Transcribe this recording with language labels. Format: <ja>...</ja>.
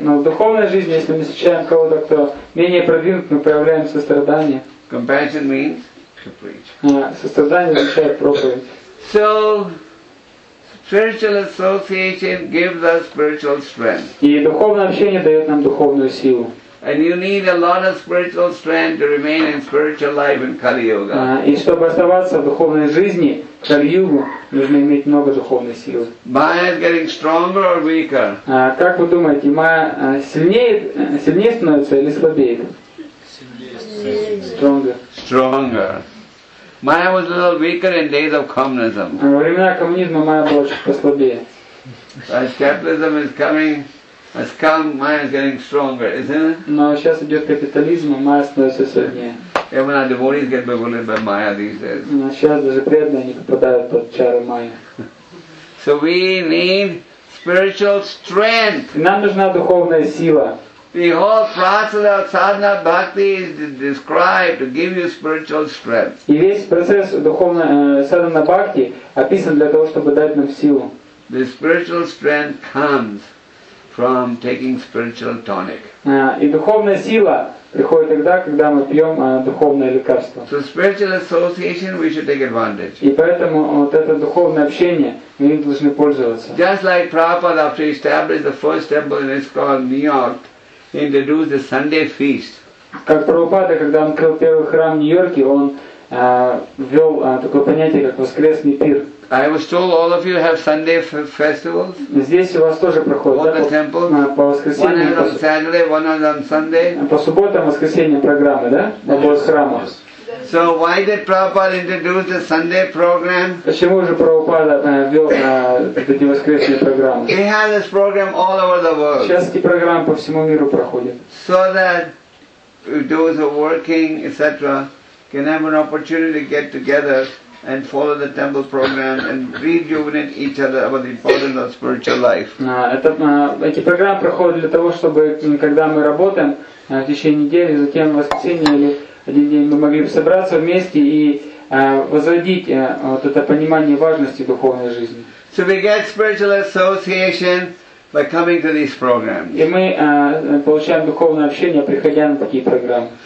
<ru>Но в духовной жизни, если мы встречаем кого-то, кто менее продвинут, мы проявляем сострадание.</ru> <en>Compassion means to preach.</en> <ru>Сострадание означает проповедь.</ru> <en>So spiritual association gives us spiritual strength.</en> <ru>И духовное общение дает нам духовную силу.</ru> <en>And you need a lot of spiritual strength to remain in spiritual life in Kali Yuga.</en> <ru>И чтобы оставаться в духовной жизни Kali Yuga, нужно иметь много духовной силы.</ru> <en>Майя is getting stronger or weaker?</en> <ru>Как вы думаете, майя сильнее становится или слабее?</ru> <en>Stronger. Майя was a little weaker in days of communism.</en> <ru>Во времена коммунизма майя была чуть послабее.</ru> <en>As capitalism is coming. As calm, Maya is getting stronger, isn't it?</en> <ru>Но сейчас идет капитализм, а Maya становится сильнее.</ru> <en>Even our devotees get bewildered by Maya these days.</en> <ru>Сейчас даже преданные не попадают под чары Maya.</ru> <en>So we need spiritual strength.</en> <ru>Нам нужна духовная сила.</ru> <en>The whole process of sadhana bhakti is described to give you spiritual strength.</en> <ru>И весь процесс духовной sadhana bhakti описан для того, чтобы дать нам силу.</ru> <en>The spiritual strength comes from taking spiritual tonic.</en> <ru>И духовная сила приходит тогда, когда мы пьем духовное лекарство.</ru> <en>So spiritual association, we should take advantage.</en> <ru>И поэтому вот это духовное общение, мы им должны пользоваться.</ru> <en>Just like Prabhupada, after he established the first temple in ISKCON, New York, he introduced the Sunday feast.</en> <ru>Как Прабхупада, когда он открыл первый храм в Нью-Йорке, он ввел такое понятие, как воскресный пир.</ru> <en>I was told all of you have Sunday festivals.</en> <ru>Здесь у вас тоже проходит.</ru> <en>All the temples.</en> <ru>По воскресеньям.</ru> <en>One on Saturday, one on Sunday.</en> <ru>По субботам, воскресеньям программы, да? На обоих храмах.</ru> <en>So why did Prabhupada introduce the Sunday program?</en> <ru>Почему же Прабхупада ввел эти воскресные программы?</ru> <en>He has this program all over the world.</en> <ru>Сейчас эти программы по всему миру проходят.</ru> <en>So that those who are working, etc., can have an opportunity to get together and follow the temple program and rejuvenate each other about the importance of spiritual life.</en> <ru>Эти программы проходят для того, чтобы когда мы работаем в течение недели, затем в воскресенье или один день мы могли бы собраться вместе и возродить вот это понимание важности духовной жизни.</ru> <en>So we get spiritual association by coming to these programs.</en> <ru>И мы получаем духовное общение, приходя на такие программы.</ru>